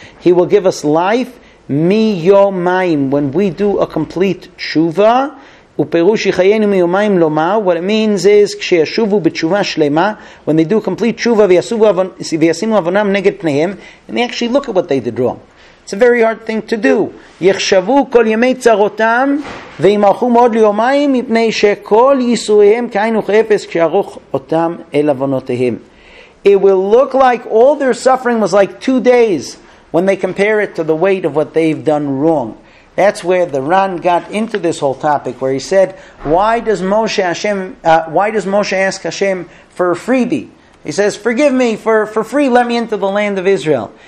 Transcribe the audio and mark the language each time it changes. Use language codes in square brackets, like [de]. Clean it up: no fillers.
[en] He will give us life miyomayim. When we do a complete tshuva, [he] ופירוש יחיינו מיומיים לומר, [en] what it means is, [he] כשישובו בתשובה שלמה, [en] when they do complete תשובה [he] וישימו אבונם נגד פניהם, [en] and they actually look at what they did wrong. It's a very hard thing to do. [he] יחשבו כל ימי צרותם, וימרחו מאוד ליומיים, מפני שכל ייסוריהם כאין וכאפס, כשארוך אותם אל אבונותיהם. [en] It will look like all their suffering was like 2 days, when they compare it to the weight of what they've done wrong. That's where the Ran got into this whole topic, where he said, why does Moshe ask Hashem for a freebie? He says, forgive me, for free, let me into the land of Israel.